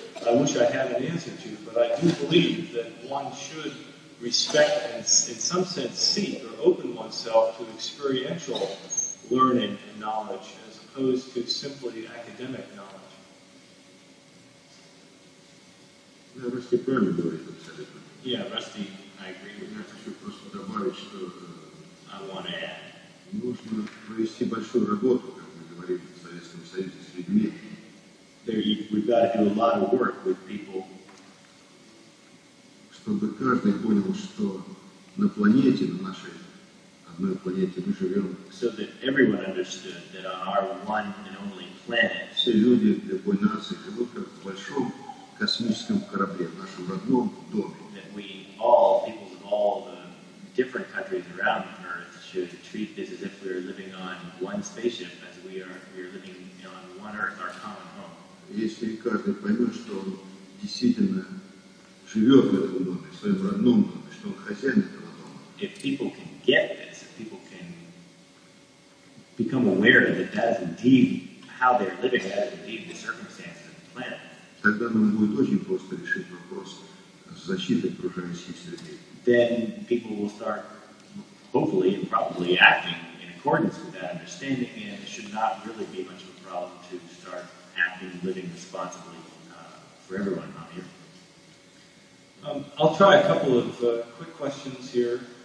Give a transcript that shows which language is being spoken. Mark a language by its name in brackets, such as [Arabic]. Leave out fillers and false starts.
[English] I wish I had an answer to, but I do believe that one should respect and, in some sense, seek or open oneself to experiential learning and knowledge as opposed to simply academic knowledge. Yeah, Rusty Berman, the way you said it. Yeah, Rusty, I agree with you. Your personal knowledge, I want to add. [Russian] Нужно провести большую работу, как мы говорили в Советском Союзе с людьми. [English] We've got to do a lot of work with people. [Russian] Чтобы каждый понял, что на планете, на нашей одной планете мы живем. [English] So that everyone understood that on our one and only planet. [Russian] Все люди для любой нации живут как в большом космическом корабле, в нашем родном доме. [English] That we all, people of all the different countries around the Earth, should treat this as if we are living on one spaceship, as we are living on one Earth, our common home. [Russian] Если каждый поймет, что он действительно живет в этом доме, в своем родном доме, что он хозяин этого дома. [English] If people can get this, if people can become aware that that's indeed how they're living, that is indeed the circumstances of the planet. [Russian] Тогда нам будет очень просто решить вопрос защиты окружающей среды. [English] Then people will start hopefully and probably acting in accordance with that understanding, and it should not really be much of a problem to start acting, living responsibly for everyone out here. I'll try a couple of quick questions here.